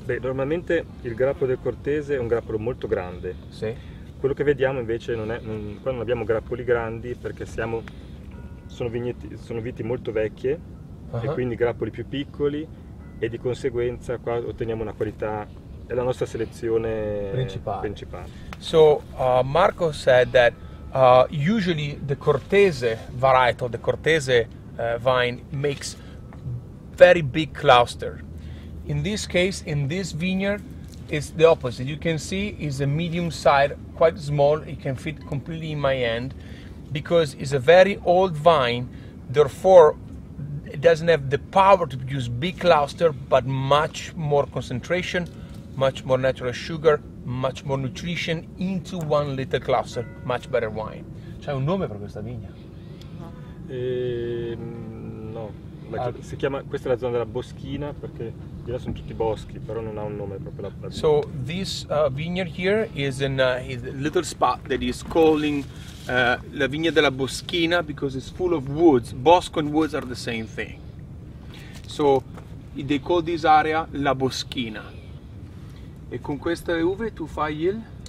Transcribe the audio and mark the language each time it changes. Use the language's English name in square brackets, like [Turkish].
[Italian] Beh, normalmente il grappolo del Cortese è un grappolo molto grande. Sì. Quello che vediamo invece non è. Qua non abbiamo grappoli grandi perché sono viti molto vecchie e quindi grappoli più piccoli e di conseguenza qua otteniamo una qualità. È la nostra selezione Principale. principale. [English] So Marco said that usually the Cortese varietal, the Cortese vine makes very big cluster. In this case, in this vineyard, it's the opposite. You can see it's a medium size, quite small. It can fit completely in my hand because it's a very old vine. Therefore, it doesn't have the power to produce big cluster, but much more concentration, much more natural sugar, much more nutrition into one little cluster, much better wine. [Italian] C'è un nome per questa vigna? No, si chiama, questa è la zona della boschina perché di là sono tutti boschi, però non ha un nome proprio la vigna. [English] So this vineyard here is in a little spot that is calling La Vigna della Boschina because it's full of woods. Bosco and woods are the same thing. So They call this area [Italian] la boschina. E con queste uve tu fai il?